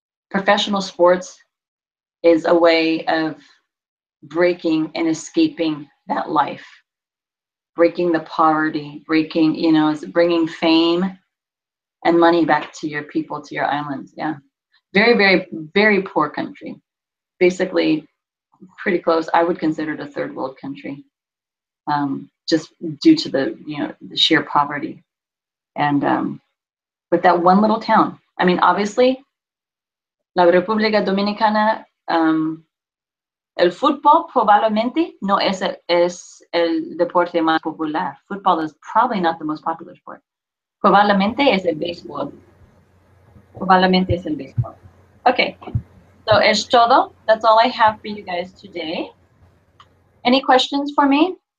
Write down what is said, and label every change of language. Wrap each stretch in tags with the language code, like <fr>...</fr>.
<en>Professional sports is a way of breaking and escaping that life, breaking the poverty, breaking, you know, bringing fame and money back to your people, to your island. Yeah. Very, very, very poor country. Basically, pretty close. I would consider it a third world country, just due to the, you know, the sheer poverty. And, with that one little town. I mean, obviously,</en> <es>la República Dominicana, el fútbol probablemente no es el deporte más popular.</es> <en>Football is probably not the most popular sport.</en> <es>Probablemente es el béisbol. Probablemente es el béisbol. Okay, so es todo.</es> <en>That's all I have for you guys today. Any questions for me?</en>